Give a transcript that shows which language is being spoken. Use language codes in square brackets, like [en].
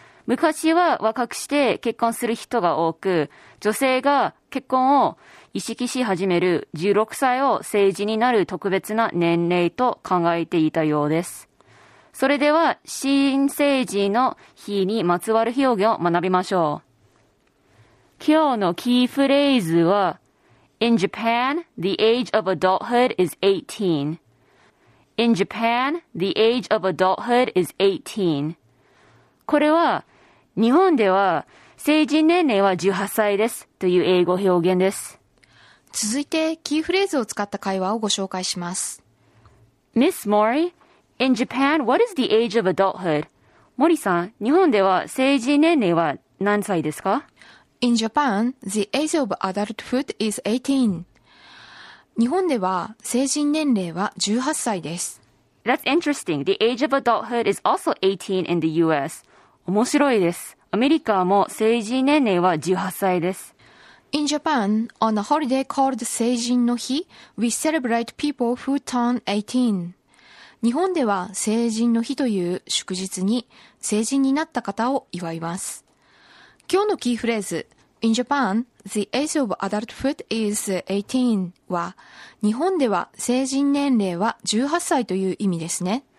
[ja] 昔は若くして結婚する人が多く、女性が結婚を意識し始める16歳を成人になる特別な年齢と考えていたようです。それでは新成人の日にまつわる表現を学びましょう。今日のキーフレーズは [en] In Japan, the age of adulthood is 18. In Japan, the age of adulthood is 18. [ja] これは日本では成人年齢は18歳ですという英語表現です。続いてキーフレーズを使った会話をご紹介します。 [en] Miss MoriIn Japan, what is the age of adulthood? [ja] 森さん、日本では成人年齢は何歳ですか? [en] In Japan, the age of adulthood is 18. [ja] 日本では成人年齢は18歳です。 [en] That's interesting. The age of adulthood is also 18 in the US. [ja] 面白いです。アメリカも成人年齢は18歳です。 [en] In Japan, on a holiday called 成人の日, we celebrate people who turn 18. [ja] 日本では成人の日という祝日に成人になった方を祝います。今日のキーフレーズ [en] In Japan, the age of adulthood is 18 [ja] は日本では成人年齢は18歳という意味ですね。